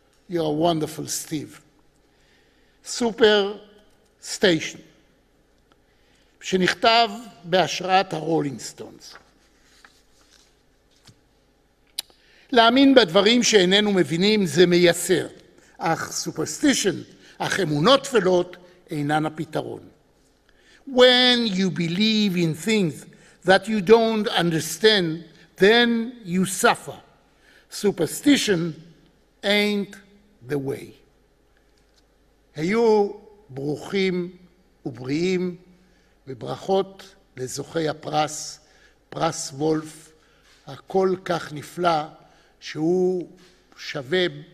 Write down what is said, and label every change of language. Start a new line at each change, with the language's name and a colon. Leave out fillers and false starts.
English: You're a wonderful Steve.
Hebrew: סופר סטיישן, שנכתב בהשראת הרולינג סטונס. להאמין בדברים שאיננו מבינים זה מייסר, אך סופרסטישן, אך אמונות טפלות, אינן הפתרון.
English: When you believe in things that you don't understand, then you suffer. Superstition ain't the way.
Hebrew: היו ברוכים ובריאים, וברכות לזוכי הפרס, פרס וולף, הכל כך נפלא, שהוא שווה